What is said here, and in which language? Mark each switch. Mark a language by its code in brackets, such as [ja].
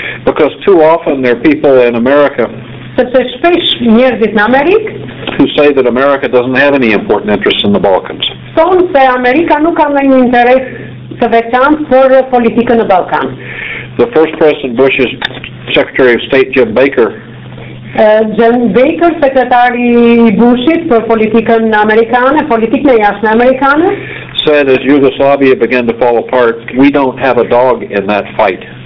[en] Because too often there are people in America [sq] sepse shpesh njerëzit në Amerikë [en] who say that America doesn't have any important interests in the Balkans. [sq] Thonë se Amerika nuk ka ndonjë interes të veçantë për politikën në Ballkan. [en] The first president Bush's Secretary of State Jim Baker. [sq] Jim Baker, sekretari i Bushit për politikën amerikane, politikën e jashtme amerikane, [en] said as Yugoslavia began to fall apart, we don't have a dog in that fight.